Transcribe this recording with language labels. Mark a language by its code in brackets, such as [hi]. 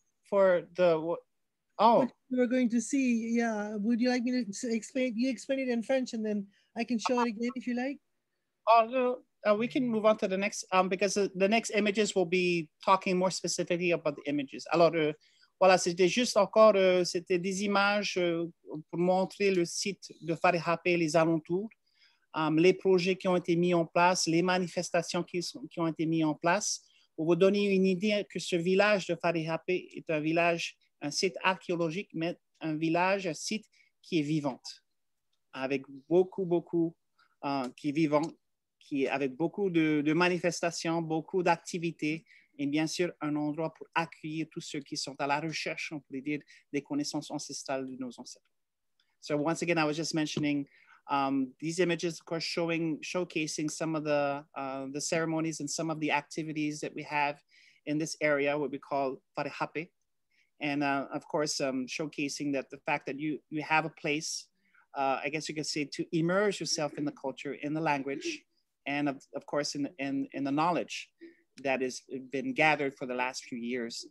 [en] What we're going to see, yeah. Would you like me to explain? You explain it in French, and then I can show it again if you like. We can move on to the next, because the next images will be talking more specifically about the images. [fr] Alors, voilà, c'était juste encore, c'était des images pour montrer le site de Farihape, les alentours. Les projets qui ont été mis en place, les manifestations qui ont été mis en place, pour vous donner une idée que ce village de Farihape est un village, un site archéologique, mais un village, un site qui est vivant, avec beaucoup, beaucoup, qui est vivant, qui est avec beaucoup de manifestations, beaucoup d'activités, et bien sûr, un endroit pour accueillir tous ceux qui sont à la recherche, on pourrait dire, des connaissances ancestrales de nos ancêtres. [en] So once again, I was just mentioning these images, of course, showcasing some of the ceremonies and some of the activities that we have in this area, what we call Farihape. And of course, showcasing that the fact that you have a place, I guess you could say, to immerse yourself in the culture, in the language, and of course, in the knowledge that has been gathered for the last few years.